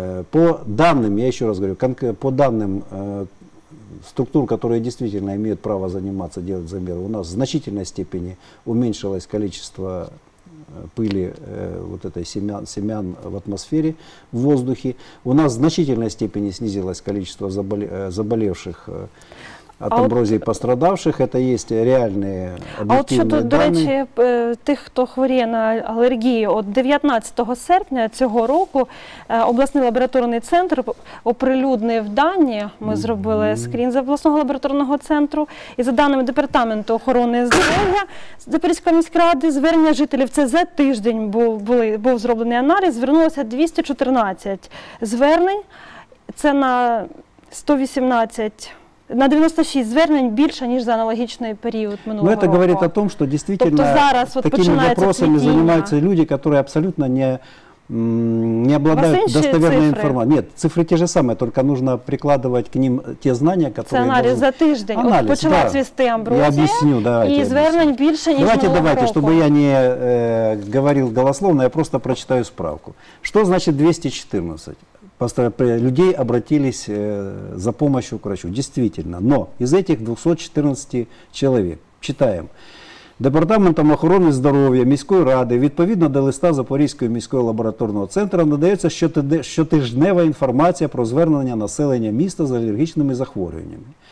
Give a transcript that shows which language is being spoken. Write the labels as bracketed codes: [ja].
[ru] По данным, я еще раз говорю, по данным структур, которые действительно имеют право заниматься, делать замеры, у нас в значительной степени уменьшилось количество пыли вот этой семян в атмосфере, в воздухе. У нас в значительной степени снизилось количество заболевших от амброзии пострадавших. Это есть реальные объективные данные. [uk] До речі, тих, хто хворіє на алергії, от 19 серпня цього року обласний лабораторний центр оприлюднив дані. Ми зробили скрін з обласного лабораторного центру. І за даними Департаменту охорони здоров'я Запорізької міської ради, звернення жителів, це за тиждень був зроблений аналіз, звернулося 214 звернень. Це на 118... На 96 звернень більше, ніж за аналогічний період минулого року. [ru] Ну, это говорит о том, что действительно зараз, такими вопросами занимаются люди, которые абсолютно не обладают достоверной информацией. Нет, цифры те же самые, только нужно прикладывать к ним те знания, которые... [uk] Це аналіз за тиждень. Аналіз, почала цвісти амброзія. [ru] Я объясню, давайте. [uk] І звернень більше, ніж минулого року. [ru] Давайте, чтобы я не говорил голословно, я просто прочитаю справку. Что значит 214? Людей обратились за помощью к врачу. Действительно. Но из этих 214 человек, читаем, [uk] Департаментом охорони здоров'я міської ради відповідно до листа Запорізького міського лабораторного центру надається щотижнева інформація про звернення населення міста з алергічними захворюваннями.